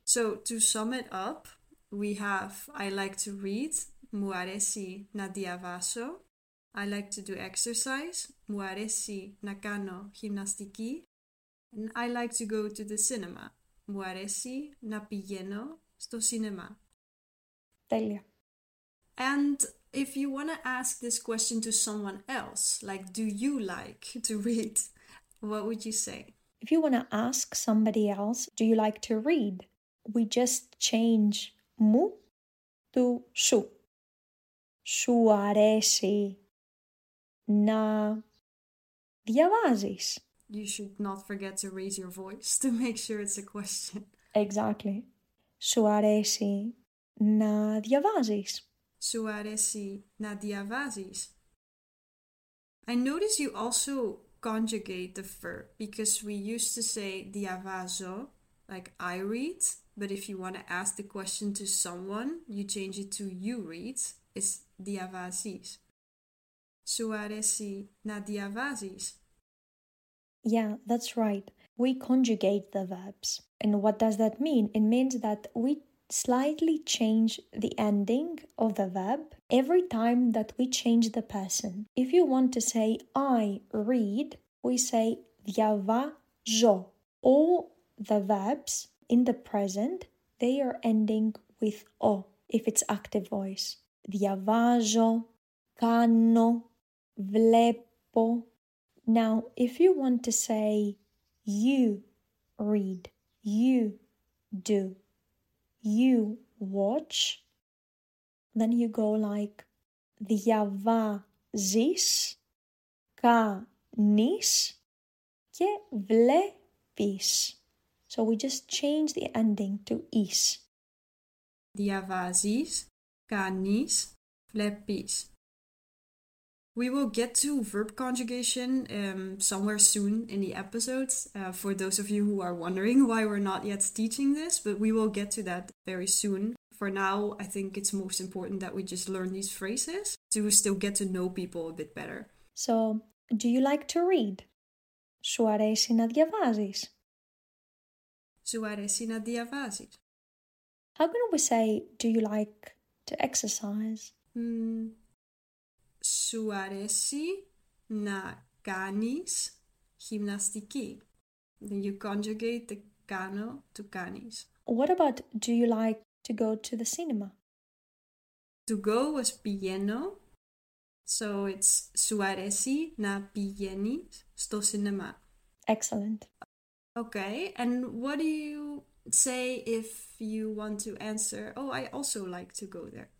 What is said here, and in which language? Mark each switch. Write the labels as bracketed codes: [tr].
[en] So to sum it up, we have I like to read, [el] μου αρέσει να διαβάσω. [en] I like to do exercise, [el] μου αρέσει να κάνω γυμναστική. [en] And I like to go to the cinema, [el] μου αρέσει να πηγαίνω στο σινεμά. Τέλεια. [en] And if you want to ask this question to someone else, like do you like to read, what would you say? If you want to ask somebody else, do you like to read? We just change [el] μου [en] to [el] σου. Σου αρέσει να διαβάζεις. [en] You should not forget to raise your voice to make sure it's a question. Exactly. [el] Σου αρέσει να διαβάζεις. Σου αρέσει να διαβάζεις. [en] I notice you also conjugate the verb, because we used to say [el] διαβάζω, [en] like I read, but if you want to ask the question to someone, you change it to you read, it's [el] διαβάζεις. Σου αρέσει να διαβάζεις. [en] Yeah, that's right. We conjugate the verbs. And what does that mean? It means that we slightly change the ending of the verb every time that we change the person. If you want to say I read, we say [el] διαβάζω. [en] All the verbs in the present, they are ending with O if it's active voice. [el] Διαβάζω, κάνω, βλέπω. [en] Now, if you want to say you read, you do, you watch, then you go like [el] διαβάζεις, κάνεις και βλέπεις. [en] So we just change the ending to is. [el] Διαβάζεις, κάνεις, βλέπεις. [en] We will get to verb conjugation somewhere soon in the episodes. For those of you who are wondering why we're not yet teaching this, but we will get to that very soon. For now, I think it's most important that we just learn these phrases to still get to know people a bit better. So, do you like to read? [el] Σου αρέσει να διαβάζεις? Σου αρέσει να διαβάζεις? [en] How can we say, do you like to exercise? [el] Σου αρέσει να κάνεις γυμναστική. [en] Then you conjugate the [el] κάνω [en] to [el] κάνεις. [en] What about do you like to go to the cinema? To go was [el] πηγαίνω. [en] So it's [el] suaresi na pigeni sto cinema. [en] Excellent. Okay, and what do you say if you want to answer, oh, I also like to go there?